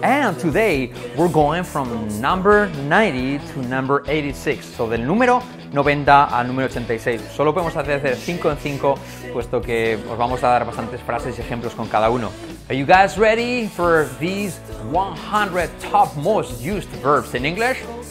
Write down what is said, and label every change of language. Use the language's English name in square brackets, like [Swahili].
[English] And today, we're going from number 90 to number 86. [Spanish] So del número 90 al número 86. Solo podemos hacer 5 en 5, puesto que os vamos a dar bastantes frases y ejemplos con cada uno. [English] Are you guys ready for these 100 top most used verbs in English?